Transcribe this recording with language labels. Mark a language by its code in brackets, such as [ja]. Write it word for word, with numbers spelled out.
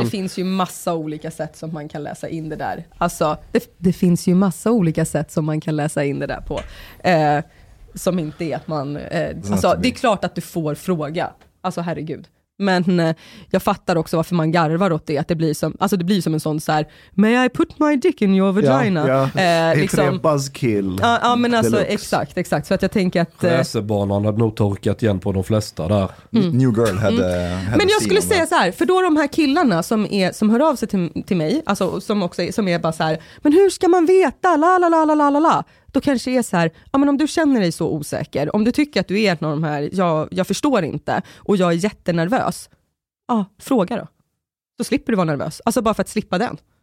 [sv] Alltså, det finns ju massa olika sätt som man kan läsa in det där. Alltså, det, det finns ju massa olika sätt som man kan läsa in det där på. Eh, som inte är att man... Eh, alltså, det är klart att du får fråga. Alltså, herregud. Men eh, jag fattar också varför man garvar åt det. Att det blir som, alltså det blir som en sån så här... [en] May I put my dick in your vagina? [sv] Ja, ja. Eh, liksom, det är buzzkill. Ja, ah, ah, men alltså deluxe. exakt, exakt. Så att jag tänker att... Eh, Räsebanan hade nog torkat igen på de flesta där. Mm. New Girl hade... Mm. hade men jag skulle säga det. Så här, för då de här killarna som, är, som hör av sig till, till mig, alltså som också är, som är bara så här, men hur ska man veta? La, la, la, la, la, la, la. Då kanske det är så här, ja men om du känner dig så osäker, om du tycker att du är någon av de här, jag, jag förstår inte och jag är jättenervös, ja, fråga då. Då slipper du vara nervös. Alltså bara för att slippa den.